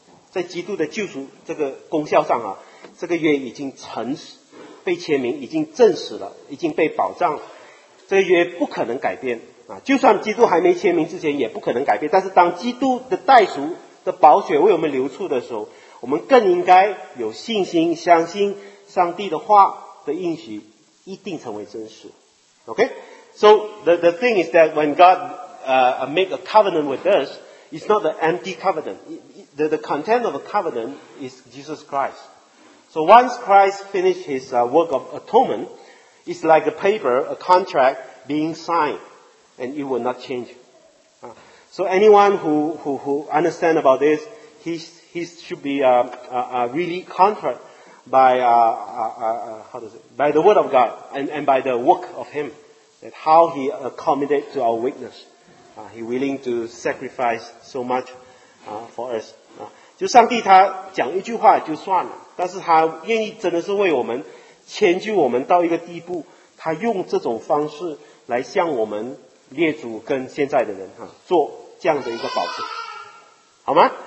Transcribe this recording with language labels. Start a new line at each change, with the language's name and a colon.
Chinese: 在基督的救赎这个功效上啊，这个约已经成被签名，已经证实了，已经被保障了，这个约不可能改变啊，就算基督还没签名之前也不可能改变，但是当基督的代赎的宝血为我们流出的时候，我们更应该有信心相信上帝的话的应许一定成为真实。
English: OK， so the thing is that when God make a covenant with us, it's not an empty covenant. The content of a covenant is Jesus Christ. So once Christ finished his work of atonement, it's like a paper, a contract being signed, and it will not change. So anyone who understand about this, he should be really by the word of God and by the work of Him, that how He accommodated to our weakness. He willing to sacrifice so much for us.
Chinese: 就上帝他讲一句话就算了，但是他愿意真的是为我们迁就我们到一个地步，他用这种方式来向我们列祖跟现在的人做这样的一个保证，好吗？